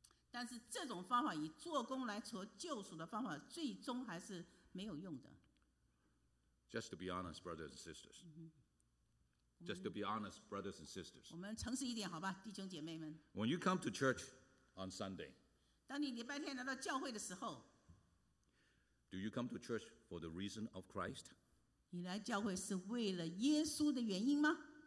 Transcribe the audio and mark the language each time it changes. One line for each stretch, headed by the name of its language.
Chinese: 但是这种方法以做工来求救赎的方法，最终还是没有用的。
English: Just to be honest, brothers and sisters. Just to be honest, brothers and sisters.
Chinese: 我们诚实一点好吧，弟兄姐妹们。
English: When you come to church on Sunday,
Chinese: 当你礼拜天来到教会的时候，
English: Do you come to church for the reason of Christ?
Chinese: 你来教会是为了耶稣的原因吗？